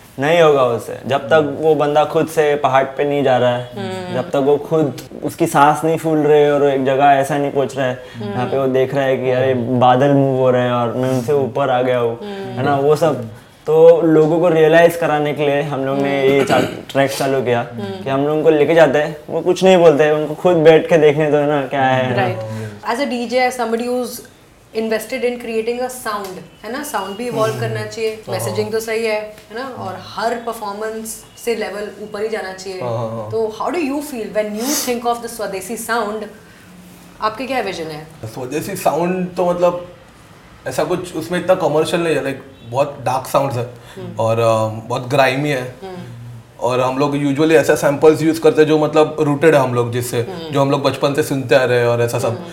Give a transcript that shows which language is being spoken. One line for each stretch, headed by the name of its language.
Hindi: नहीं होगा उसे जब तक वो बंदा खुद से पहाड़ पे नहीं जा रहा है, जब तक वो खुद उसकी सांस नहीं फूल रहे और एक जगह ऐसा नहीं पहुंच रहा है यहाँ पे वो देख रहा है कि अरे बादल मूव हो रहे हैं और मैं उनसे ऊपर आ गया हूँ, है ना, वो सब तो लोगों को रियलाइज कराने के लिए हम लोग ने ये ट्रैक चालू किया कि हम लोग उनको लेके जाते हैं, वो कुछ नहीं बोलते, उनको खुद बैठ के देखने दो ना क्या है.
English: Invested in creating a sound,
Hindi: है ना, sound भी evolve करना चाहिए, messaging तो सही है, है ना, और हर performance से level ऊपर ही जाना चाहिए.
English: तो how do you feel when you think of the Swadeshi sound?
Hindi: आपके क्या vision है? Swadeshi sound तो मतलब ऐसा कुछ उसमें इतना commercial नहीं है, like बहुत dark sounds है और बहुत grimy है. और हम लोग यूजुअली ऐसा सैंपल्स यूज करते हैं जो मतलब रूटेड है हम लोग जिससे जो हम लोग बचपन से सुनते आ रहे हैं और ऐसा सब.